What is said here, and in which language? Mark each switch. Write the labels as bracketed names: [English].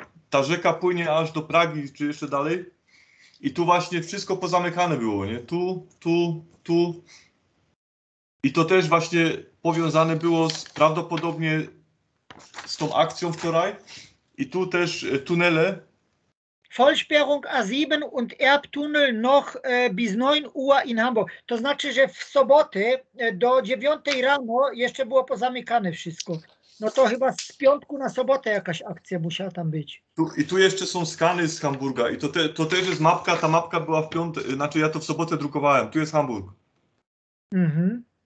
[Polish] Ta rzeka płynie aż do Pragi, czy jeszcze dalej. I tu właśnie wszystko pozamykane było, nie? Tu, tu, tu. I to też właśnie powiązane było z, prawdopodobnie z tą akcją wczoraj. I tu też tunele. [German] Vollsperrung A7 und Erbtunnel noch bis 9 Uhr in Hamburg. [Polish] To znaczy, że w sobotę do 9 rano jeszcze było pozamykane wszystko. No to chyba z piątku na sobotę jakaś akcja musiała tam być. Tu, i tu jeszcze są skany z Hamburga. I to też jest mapka. Ta mapka była w piątek, znaczy ja to w sobotę drukowałem. Tu jest Hamburg. Mhm.